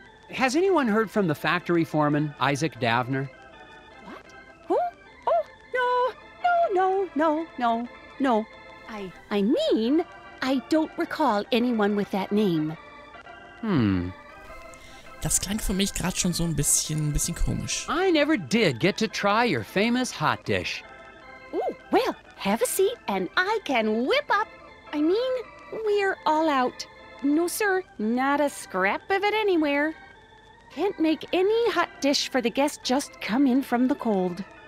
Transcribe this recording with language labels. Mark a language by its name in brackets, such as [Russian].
[English] Has anyone heard from the factory foreman, Isaac Davner? What? Who? Oh, no. No, no, no, no, no. I mean, I don't recall anyone with that name. Hmm. [German] Das klang für mich gerade schon so ein bisschen komisch. [English] I never did get to try your famous hot dish. Oh, well, have a seat and I can whip up. I mean, we're all out. No, sir, not a scrap of it anywhere. Can't make any hot dish for the guests just come in from the cold.